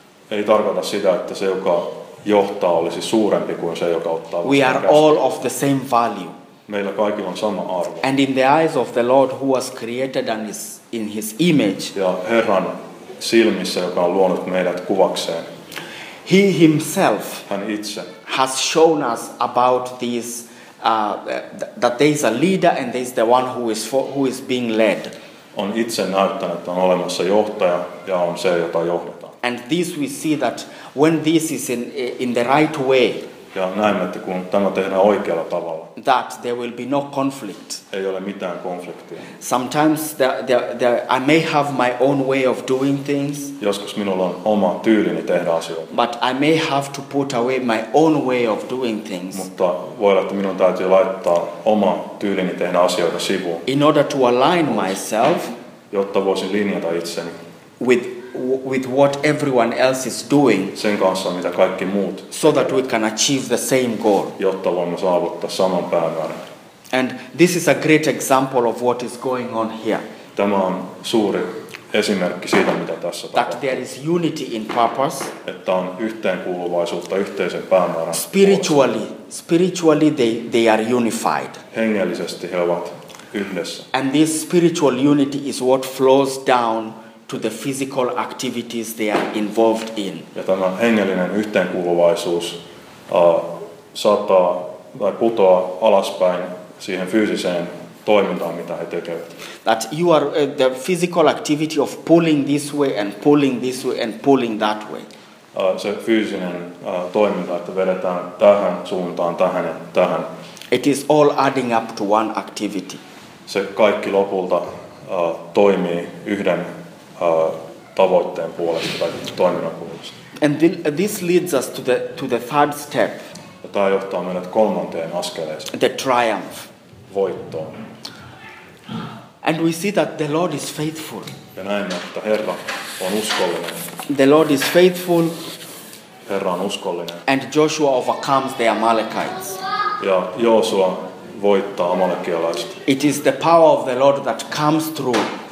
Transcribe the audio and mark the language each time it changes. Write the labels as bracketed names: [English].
[Finnish] Ei tarkoita sitä, että se joka johtaa olisi suurempi kuin se joka ottaa vastaan. [English] We are [Finnish] käskyjä. [English] All of the same value. [Finnish] Meillä kaikilla on sama arvo. [English] And in the eyes of the Lord who was created and is in his image. [Finnish] Ja Herran silmissä, joka on luonut meidät kuvakseen. [English] He himself [Finnish] hän itse [English] has shown us about these that there is a leader and there is the one who is being led. [Finnish] On itse näyttänyt, että on olemassa johtaja ja on se, jota johdetaan. [English] And this we see that when this is in the right way. [Finnish] Ja näemme, että kun tämä tehdään oikealla tavalla. [English] That there will be no conflict. [Finnish] Ei ole mitään konfliktia. [English] Sometimes the I may have my own way of doing things. [Finnish] Joskus minulla on oma tyylini tehdä asioita. [English] But I may have to put away my own way of doing things. [Finnish] Mutta voi olla, että minun täytyy laittaa oma tyylini tehdä asioita sivuun. [English] In order to align myself. [Finnish] Jotta voisin linjata itseni. [English] With what everyone else is doing, [Finnish] sen kanssa, mitä kaikki muut, [English] so that we can achieve the same goal. [Finnish] Jotta voimme saavuttaa saman päämäärän. [English] And this is a great example of what is going on here. [Finnish] Tämä on suuri esimerkki siitä, mitä tässä [English] that [Finnish] tapahtuu. [English] There is unity in purpose. [Finnish] Että on yhteenkuuluvaisuutta yhteisen päämäärän. [English] Spiritually they are unified. [Finnish] Hengellisesti he ovat yhdessä. [English] And this spiritual unity is what flows down to the physical activities they are involved in. [Finnish] Ja tämä hengellinen yhteenkuuluvaisuus saattaa tai putoaa alaspäin siihen fyysiseen toimintaan, mitä he tekevät. [English] That you are the physical activity of pulling this way and pulling this way and pulling that way. [Finnish] Se fyysinen toiminta, että vedetään tähän suuntaan, tähän ja tähän. [English] It is all adding up to one activity. [Finnish] Se kaikki lopulta toimii yhden tavoitteen puolesta tai toiminnan puolesta. [English] And this leads us to the third step. [Finnish] Ja tämä johtaa meidät kolmanteen askeleeseen. [English] The triumph. [Finnish] Voittoon. [English] And we see that the Lord is faithful. [Finnish] Ja näemme, että Herra on uskollinen. [English] The Lord is faithful. [Finnish] Herra on uskollinen. [English] And Joshua overcomes the Amalekites. [Finnish] Ja Joshua voittaa amalekialaiset. [English] It is the power of the Lord that comes through.